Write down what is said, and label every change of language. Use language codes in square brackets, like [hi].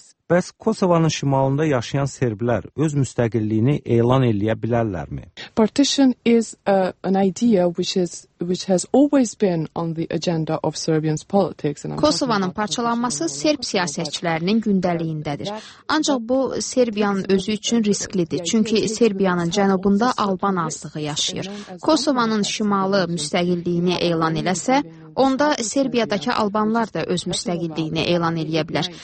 [az] Bəs Kosovanın şimalında yaşayan serblər öz müstəqilliyini elan edə bilərlərmi? [en] Partition is an idea which has always been on the agenda of Serbians politics. [az] Kosovanın parçalanması Serb siyasətçilərinin gündəliyindədir. Ancaq bu Serbiyanın özü üçün risklidir. Çünki Serbiyanın cənubunda Alban azlığı yaşayır. Kosovanın şimalı müstəqilliyini elan eləsə, onda Serbiyadakı Albanlar da öz müstəqilliyini elan edə bilər.